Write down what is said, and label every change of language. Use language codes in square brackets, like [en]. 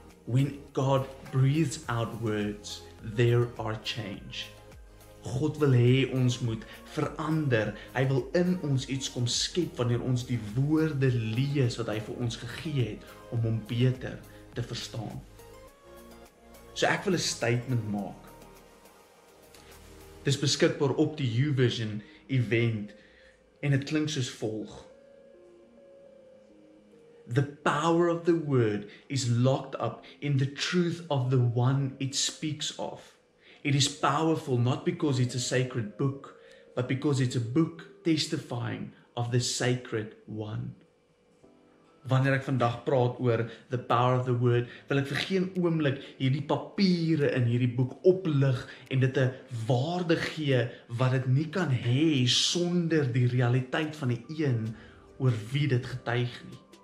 [en] When God breathes out words, there are change. [af] God wil hê ons moet verander. Hy wil in ons iets kom skep wanneer ons die woorde lees wat hy vir ons gegee het om hom beter te verstaan. So ek wil 'n statement maak. Dis beskikbaar op die YouVersion event en het klink soos volg. [en] The power of the word is locked up in the truth of the one it speaks of. It is powerful not because it's a sacred book, but because it's a book testifying of the sacred one. [af] Wanneer ek vandag praat oor [en] the power of the word, [af] wil ek vir geen oomblik hierdie papiere in hierdie boek oplig en dit 'n waarde gee wat dit nie kan hê sonder die realiteit van die een oor wie dit getuig nie.